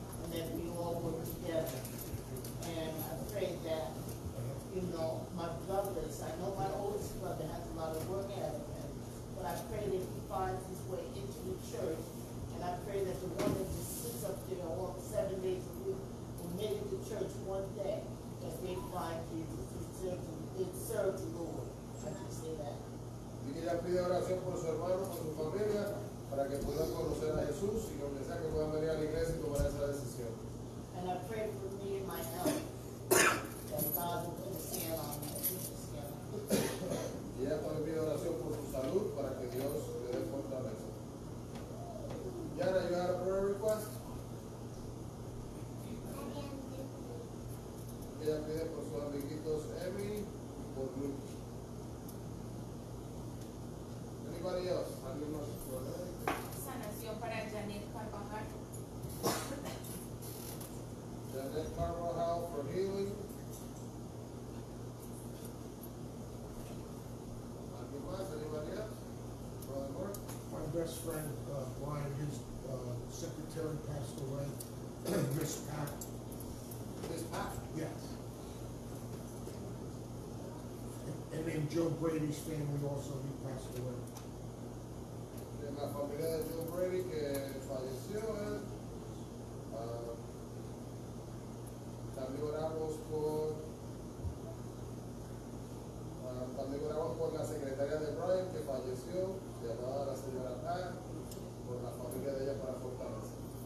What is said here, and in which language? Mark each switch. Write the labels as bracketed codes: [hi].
[en] That we all work together. And I pray that, you know, my brothers, I know my oldest brother has a lot of work ahead of him, but I pray that he finds his way into the church. And I pray that the one that just sits up there all 7 days a week will make it to church one day, that they find Jesus to serve the, to serve the Lord. I just say that. [es] Y ella pide oración por su hermano, por su familia, para que puedan conocer a Jesús y donde sea que puedan venir a la iglesia y tomar esa decisión. [en] And I pray for me and my health that God will put a seal on me, [es] y ella también pide oración por su salud para que Dios le dé fortaleza. [en] Yara, you have a prayer request? [es] Ella pide por sus amiguitos Emmy y por Luke. [en] Anybody [es] Dios. Sanación para Janet Carvajal. [en] Janet Carvajal for healing. [es] ¿Alguien más? [en] ¿Anybody else? Brother Mark? My best friend, Brian, his secretary passed away. Miss Pat. Miss Pat? Yes. And then Joe Brady's family also, he passed away. [es] De la familia de Joe Brady que falleció, también oramos por la secretaria de Brian que falleció, llamada la señora Pat, por la familia de ella para fortalecer.